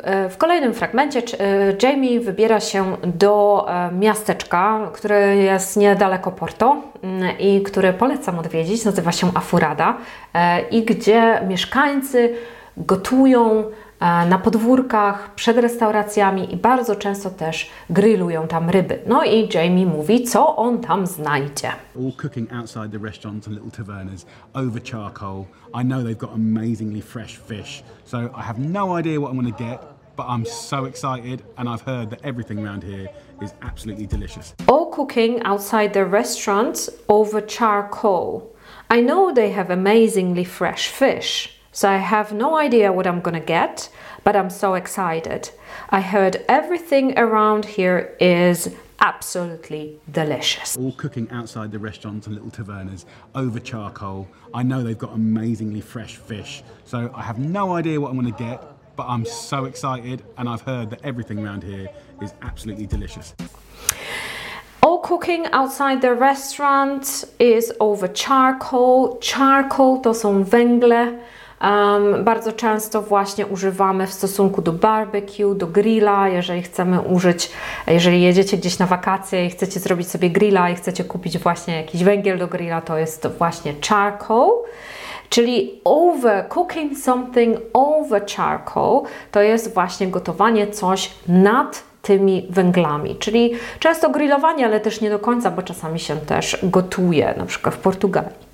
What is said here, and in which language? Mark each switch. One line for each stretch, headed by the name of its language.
Polish: W kolejnym fragmencie Jamie wybiera się do miasteczka, które jest niedaleko Porto i które polecam odwiedzić, nazywa się Afurada, i gdzie mieszkańcy gotują na podwórkach, przed restauracjami i bardzo często też grillują tam ryby. No i Jamie mówi, co on tam znajdzie.
English: All cooking outside the restaurants and little tavernas over charcoal. I know they've got amazingly fresh fish, so I have no idea what I'm going to get, but I'm so excited and I've heard that everything around here is absolutely delicious. All cooking outside the restaurants over charcoal. I know they have amazingly fresh fish. So I have no idea what I'm gonna get, but I'm so excited. I heard everything around here is absolutely delicious. All cooking outside the restaurants and little tavernas over charcoal. I know they've got amazingly fresh fish, so I have no idea what I'm gonna get, but I'm so excited, and I've heard that everything around here is absolutely delicious. All cooking outside the restaurant is over charcoal.
Polish: Charcoal to są węgle. Bardzo często właśnie używamy w stosunku do barbecue, do grilla, jeżeli chcemy użyć, jeżeli jedziecie gdzieś na wakacje i chcecie zrobić sobie grilla i chcecie kupić właśnie jakiś węgiel do grilla, to jest właśnie charcoal. Czyli
English: over cooking something over charcoal
Polish: to jest właśnie gotowanie coś nad tymi węglami, czyli często grillowanie, ale też nie do końca, bo czasami się też gotuje, na przykład w Portugalii.